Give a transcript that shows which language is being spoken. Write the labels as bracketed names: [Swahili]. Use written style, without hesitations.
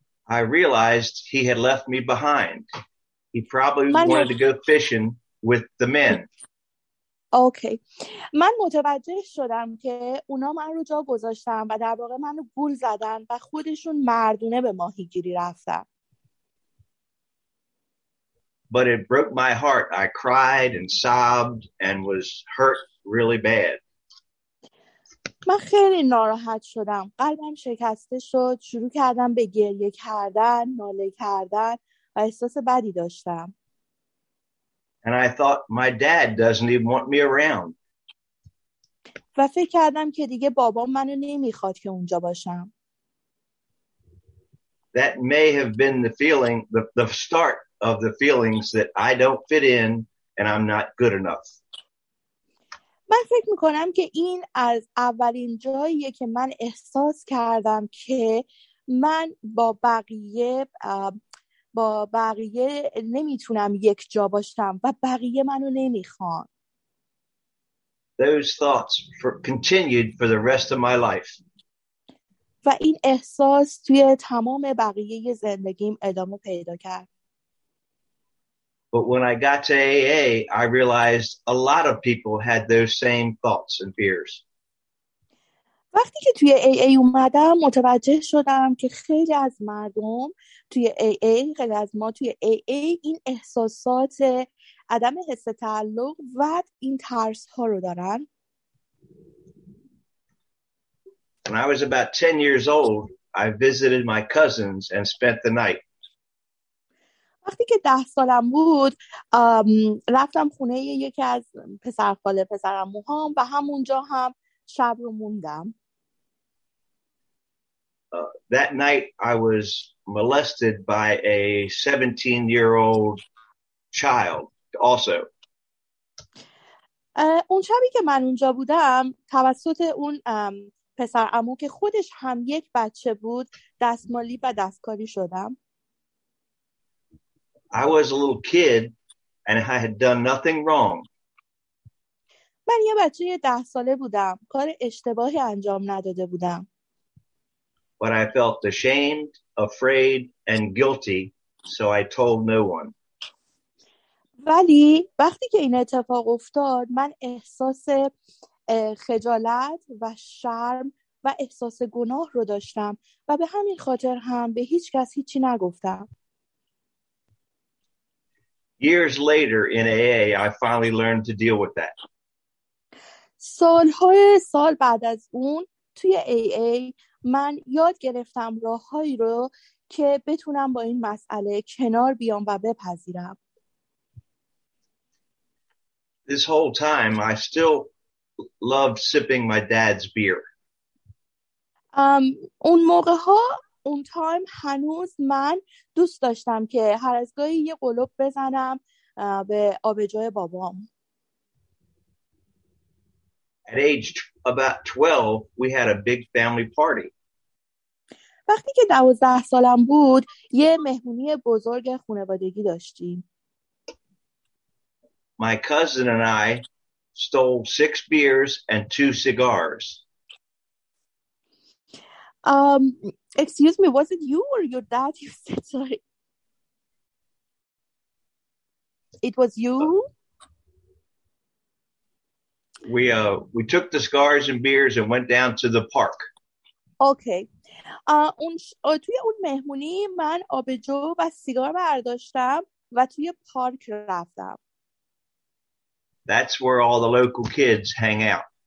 [English] I realized he had left me behind. He probably wanted to go fishing with the men. Okay. [Persian] من متوجه شدم که اونا من رو جا گذاشتن و در واقع منو گول زدن و خودشون مردونه به ماهیگیری رفتن. [English] But it broke my heart. I cried and sobbed and was hurt really bad. [Persian] من خیلی ناراحت شدم. قلبم شکسته شد. شروع کردم به گریه کردن، ناله کردن و احساس بدی داشتم. [English] And I thought my dad doesn't even want me around. [Persian] و فکر کردم که دیگه بابام منو نمیخواد که اونجا باشم. [English] That may have been the feeling, the start of the feelings that I don't fit in and I'm not good enough. [Persian] من فکر میکنم که این از اولین جاییه که من احساس کردم که من با بقیه با با بقیه نمیتونم یک جا باشم و بقیه منو نمیخوان. [English] Those thoughts continued for the rest of my life. [Persian] و این احساس توی تمام بقیه زندگیم ادامه پیدا کرد. [English] But when I got to AA, I realized a lot of people had those same thoughts and fears. [Persian] وقتی که توی AA اومدم متوجه شدم که خیلی از مردم توی AA غیر از ما توی AA این احساسات عدم حس تعلق و این ترس ها رو دارن. [English] When I was about 10 years old, I visited my cousins and spent the night. [Persian] وقتی که 10 سالم بود رفتم خونه یکی از پسرخاله پسرعموهام و همونجا هم شب رو موندم. [English] That night I was molested by a 17-year-old child also. [Persian] اون شبی که من اونجا بودم توسط اون پسرعمو که خودش هم یک بچه بود دستمالی و دستکاری شدم. [English] I was a little kid and I had done nothing wrong. [Persian] من یه بچه 10 ساله بودم. کار اشتباهی انجام نداده بودم. [English] But I felt ashamed, afraid, and guilty, so I told no one. [Persian] ولی وقتی که این اتفاق افتاد، من احساس خجالت و شرم و احساس گناه رو داشتم و به همین خاطر هم به هیچ کس هیچی نگفتم. [English] Years later in AA, I finally learned to deal with that. [Persian] سالهای سال بعد از اون توی AA من یاد گرفتم راههایی رو که بتونم با این مسئله کنار بیام و بپذیرم. [English] This whole time I still loved sipping my dad's beer. [Persian] اون موقع ها اون تایم هنوز من دوست داشتم که هر از گاهی یه قلوب بزنم به آبجوی بابام. [English] At age about 12, we had a big family party. [Persian] وقتی که 12 سالم بود، یه مهمونی بزرگ خانوادگی داشتیم. [English] My cousin and I stole 6 beers and 2 cigars. Excuse me, was it you or your dad you said sorry? It was you? We took the cigars and beers and went down to the park. Okay. [Persian] توی اون مهمونی من آبجو و سیگار برداشتم و توی پارک رفتم. [English] That's where all the local kids hang out.